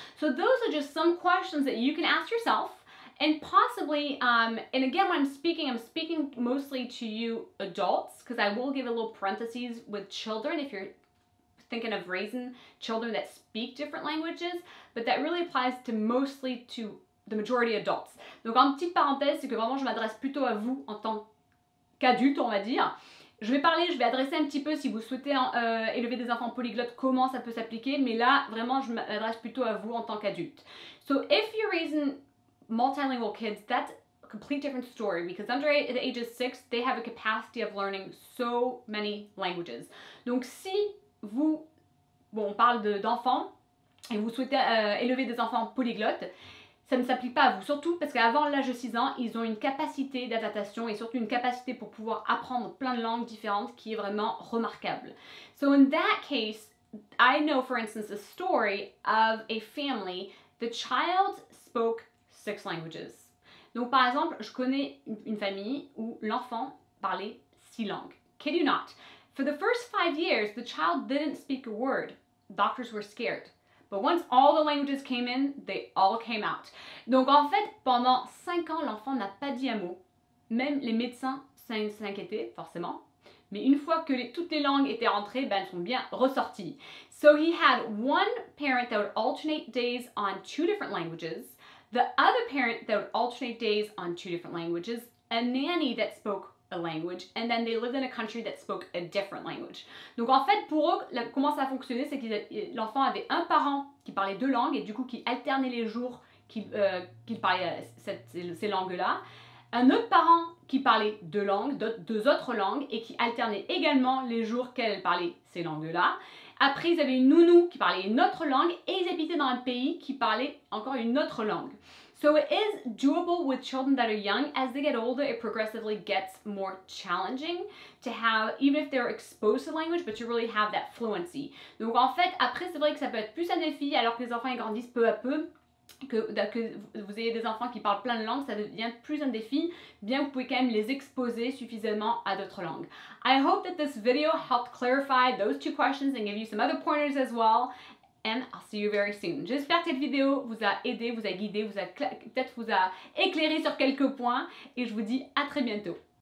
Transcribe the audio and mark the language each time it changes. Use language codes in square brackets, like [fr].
[en] So those are just some questions that you can ask yourself. And possibly, and again, when I'm speaking mostly to you adults, because I will give a little parentheses with children if you're thinking of raising children that speak different languages, but that really applies to mostly to the majority of adults. [fr] Donc en petite parenthèse, c'est que vraiment je m'adresse plutôt à vous en tant qu'adulte, on va dire. Je vais parler, je vais adresser un petit peu si vous souhaitez élever des enfants polyglottes, comment ça peut s'appliquer, mais là, vraiment, je m'adresse plutôt à vous en tant qu'adulte. [en] So if you're raising multilingual kids, that's a complete different story because under the age of 6, they have a capacity of learning so many languages. [fr] Donc si vous, bon, on parle d'enfants et vous souhaitez élever des enfants polyglottes, ça ne s'applique pas à vous, surtout parce qu'avant l'âge de 6 ans, ils ont une capacité d'adaptation et surtout une capacité pour pouvoir apprendre plein de langues différentes qui est vraiment remarquable. [en] So in that case, I know for instance a story of a family, the child spoke 6 languages. [fr] Donc par exemple, je connais une famille où l'enfant parlait 6 langues. [en] Kid you not. For the first 5 years, the child didn't speak a word. Doctors were scared. But once all the languages came in, they all came out. [fr] Donc en fait, pendant 5 ans, l'enfant n'a pas dit un mot. Même les médecins s'inquiétaient, forcément. Mais une fois que toutes les langues étaient rentrées, ben elles sont bien ressorties. [en] So he had one parent that would alternate days on two different languages, the other parent that would alternate days on two different languages, a nanny that spoke a language, and then they lived in a country that spoke a different language. [fr] Donc en fait, pour eux, comment ça fonctionnait, c'est que l'enfant avait un parent qui parlait deux langues et du coup qui alternait les jours qu'il parlait ces langues-là, un autre parent qui parlait deux langues, deux autres langues, et qui alternait également les jours qu'elle parlait ces langues-là. Après, ils avaient une nounou qui parlait une autre langue et ils habitaient dans un pays qui parlait encore une autre langue. [en] So it is doable with children that are young. As they get older, it progressively gets more challenging to have, even if they're exposed to language, but to really have that fluency. [fr] Donc en fait, après, c'est vrai que ça peut être plus un défi alors que les enfants grandissent peu à peu. Que vous ayez des enfants qui parlent plein de langues, ça devient plus un défi, bien que vous pouvez quand même les exposer suffisamment à d'autres langues. [en] I hope that this video helped clarify those two questions and give you some other pointers as well. And I'll see you very soon. [fr] J'espère que cette vidéo vous a aidé, vous a guidé, peut-être vous a éclairé sur quelques points. Et je vous dis à très bientôt.